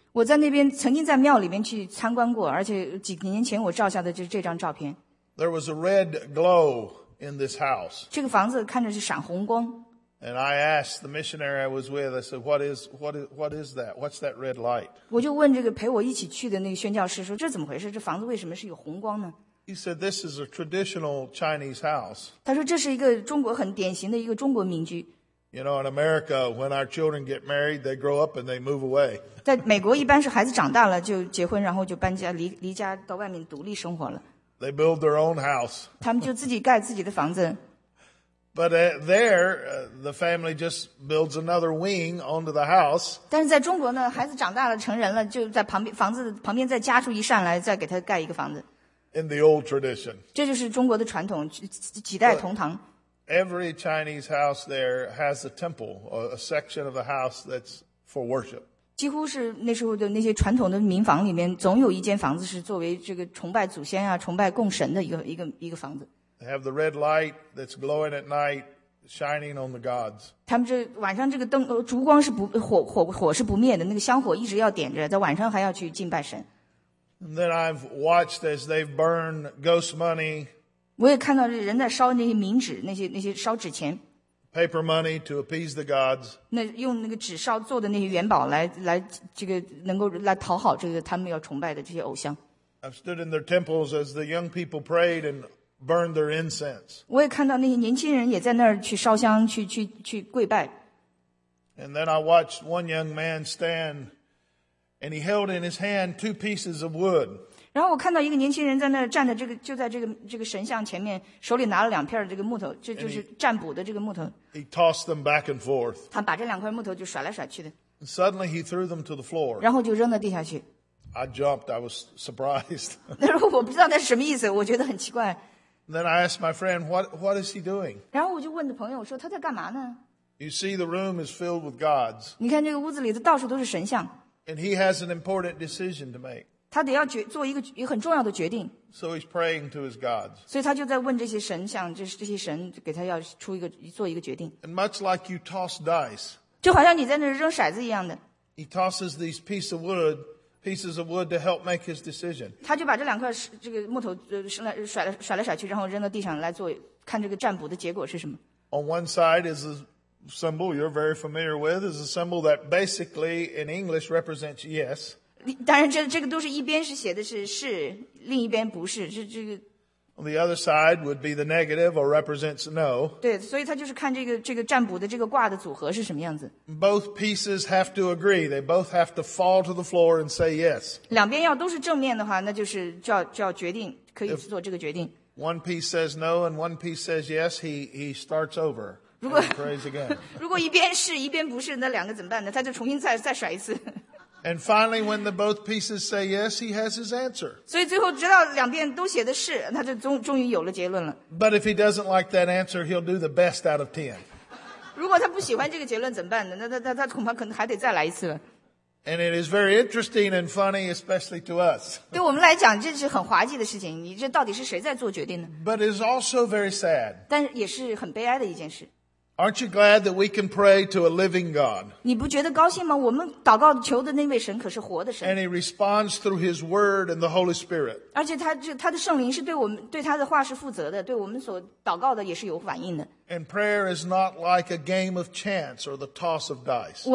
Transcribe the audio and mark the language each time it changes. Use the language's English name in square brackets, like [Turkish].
[Chinese] 我在那边曾经在庙里面去参观过，而且几年前我照下的就是这张照片。 [English] There was a red glow in this house. [Chinese] 这个房子看着是闪红光。 [English] And I asked the missionary I was with, I said, what is that? What's that red light? [Chinese] 我就问这个陪我一起去的那个宣教士说，这怎么回事？这房子为什么是有红光呢？ [English] He said, this is a traditional Chinese house. [Chinese] 他说这是一个中国很典型的一个中国民居。 [English] You know, in America, when our children get married, they grow up and they move away. [Chinese] 在美国一般是孩子长大了就结婚，然后就搬家，离家到外面独立生活了。 [English] They build their own house. [Chinese] 他们就自己盖自己的房子。 [English] But there, the family just builds another wing onto the house. [Chinese] 但是在中国呢，孩子长大了，成人了，就在旁边房子旁边再加出一扇来，再给他盖一个房子。 [English] In the old tradition. [Chinese] 这就是中国的传统，几代同堂。 [English] Every Chinese house there has a temple, a section of the house that's for worship. [Chinese] 几乎是那时候的那些传统的民房里面，总有一间房子是作为这个崇拜祖先啊、崇拜供神的一个房子。 [English] They have the red light that's glowing at night, shining on the gods. [Chinese] 他们这晚上这个灯，烛光是不火火火是不灭的，那个香火一直要点着，在晚上还要去敬拜神。 [English] And then I've watched as they've burned ghost money. [Chinese] 我也看到人在烧那些冥纸，那些烧纸钱。 [English] Paper money to appease the gods. [Chinese] 那用那个纸烧做的那些元宝来这个能够来讨好这个他们要崇拜的这些偶像。 [English] I've stood in their temples as the young people prayed and burned their incense. [Chinese] 我也看到那些年轻人也在那儿去烧香，去跪拜。 [English] And then I watched one young man stand. And he held in his hand two pieces of wood. [Chinese] 然后我看到一个年轻人在那站在这个就在这个神像前面，手里拿了两片这个木头，这就是占卜的这个木头。 [English] He tossed them back and forth. [Chinese] 他把这两块木头就甩来甩去的。 [English] And suddenly he threw them to the floor. [Chinese] 然后就扔到地下去。 [English] I jumped. I was surprised. [Chinese] 那时候我不知道那是什么意思，我觉得很奇怪。 [English] Then I asked my friend, "What is he doing?" [Chinese] 然后我就问的朋友说他在干嘛呢 [English] ？You see, the room is filled with gods. [Chinese] 你看这个屋子里的到处都是神像。 [English] And he has an important decision to make. [Chinese] 他得要做一个很重要的决定。 [English] So he's praying to his gods. [Chinese] 所以他就在问这些神，想这些神给他要出一个做一个决定。 [English] And much like you toss dice. [Chinese] 就好像你在那扔骰子一样的。 [English] He tosses these pieces of wood to help make his decision. [Chinese] 他就把这两块这个木头甩来甩去，然后扔到地上来做看这个占卜的结果是什么。 [English] On one side is a symbol you're very familiar with is a symbol that basically in English represents yes. [Chinese] 当然这个都是一边是写的是，另一边不是。这个。 [English] On the other side would be the negative or represents no. [Chinese] 对，所以他就是看这个占卜的这个卦的组合是什么样子。 [English] Both pieces have to agree. They both have to fall to the floor and say yes. [Chinese] 两边要都是正面的话，那就是就要决定，可以做这个决定。 [English] If one piece says no and one piece says yes, he starts over. [Chinese] 如果一边是一边不是，那两个怎么办呢？他就重新再甩一次。 [English] And finally, when the both pieces say yes, he has his answer. [Chinese] 所以最后直到两边都写的是，他就终于有了结论了。 [English] But if he doesn't like that answer, he'll do the best out of 10. [Chinese] 如果他不喜欢这个结论怎么办呢？那他恐怕可能还得再来一次了。 [English] And it is very interesting and funny, especially to us. [Chinese] 对我们来讲，这是很滑稽的事情。你这到底是谁在做决定呢 [English] ？But it is also very sad. [Chinese] 但也是很悲哀的一件事。 [English] Aren't you glad that we can pray to a living God? [Chinese] 你不觉得高兴吗？我们祷告求的那位神可是活的神。 [English] And He responds through His Word and the Holy Spirit. [Chinese] 而且他的圣灵是对我们对他的话是负责的，对我们所祷告的也是有反应的。 [English] And prayer is not like a game of chance or the toss of dice.